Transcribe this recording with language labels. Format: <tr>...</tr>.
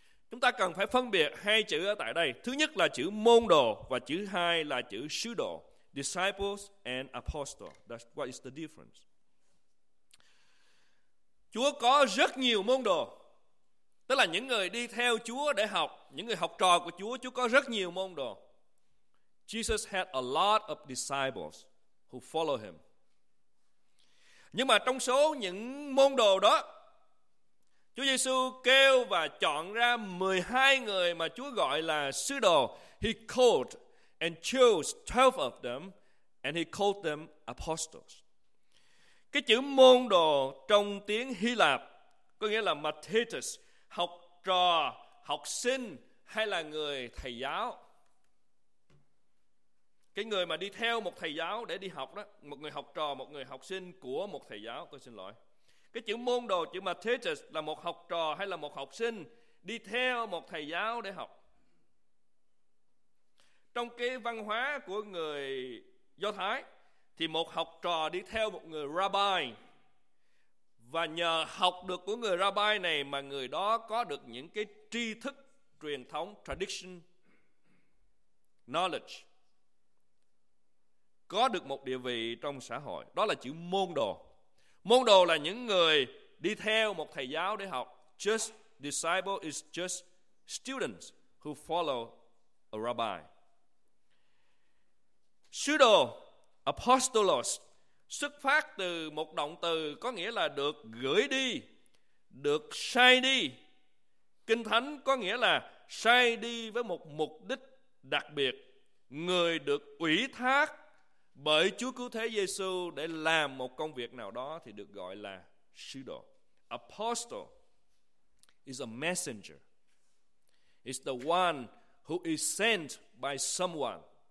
<vi>Chúng ta cần phải phân biệt hai chữ ở tại đây. Thứ nhất là chữ môn đồ và chữ hai là chữ sứ đồ.</vi> <en>Disciples and apostles. That's what is the difference.</en> <vi>Chúa có rất nhiều môn đồ. Tức là những người đi theo Chúa để học, những người học trò của Chúa, Chúa có rất nhiều môn đồ.</vi> <en>Jesus had a lot of disciples who follow him.</en> <vi>Nhưng mà trong số những môn đồ đó, Chúa Giêsu kêu và chọn ra 12 người mà Chúa gọi là sứ đồ.</vi> <en>He called and chose 12 of them and he called them apostles.</en> <vi>Cái chữ môn đồ trong tiếng Hy Lạp có nghĩa là mathetes, học trò, học sinh hay là người thầy giáo. Cái người mà đi theo một thầy giáo để đi học đó, một người học trò, một người học sinh của một thầy giáo, tôi xin lỗi. Cái chữ môn đồ, chữ mathetes là một học trò hay là một học sinh đi theo một thầy giáo để học. Trong cái văn hóa của người Do Thái thì một học trò đi theo một người rabbi, và nhờ học được của người rabbi này mà người đó có được những cái tri thức truyền thống,</vi> <en>tradition, knowledge.</en> <vi>Có được một địa vị trong xã hội. Đó là chữ môn đồ. Môn đồ là những người đi theo một thầy giáo để học.</vi> <en>just disciple is just students who follow a rabbi.</en> <vi>Sứ đồ, apostolos, xuất phát từ một động từ có nghĩa là được gửi đi, được sai đi. Kinh thánh có nghĩa là sai đi với một mục đích đặc biệt, người được ủy thác bởi Chúa Cứu Thế Giê-xu để làm một công việc nào đó thì được gọi là sứ đồ.</vi> <en>Apostle is a messenger. It's the one who is sent by someone.</en>